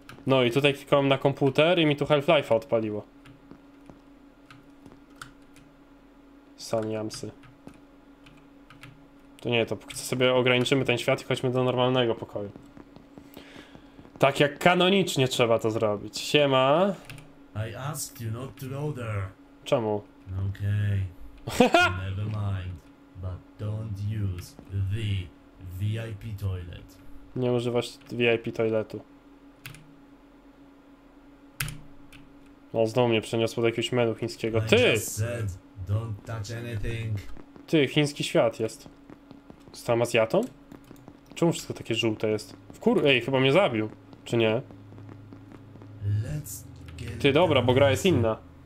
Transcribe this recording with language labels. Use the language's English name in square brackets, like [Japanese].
[Polish] No i tutaj kliknąłem na komputer i mi tu Half-Life'a odpaliło. Saniamsy. To nie, to póki co sobie ograniczymy ten świat i chodźmy do normalnego pokoju. Tak jak kanonicznie trzeba to zrobić. Siema. [English] I asked you not to go there. [Polish] Czemu? [English] Okay. Never mind. But don't use the VIP toilet. [Polish] Nie używasz VIP toiletu. No znowu mnie przeniosło do jakiegoś menu chińskiego. Ty! [English] I just said, don't touch anything. [Polish] Ty, chiński świat jest. Z tam Azjatą? Czemu wszystko takie żółte jest? Ej, chyba mnie zabił. Czy nie? Ty, dobra, bo gra jest inna.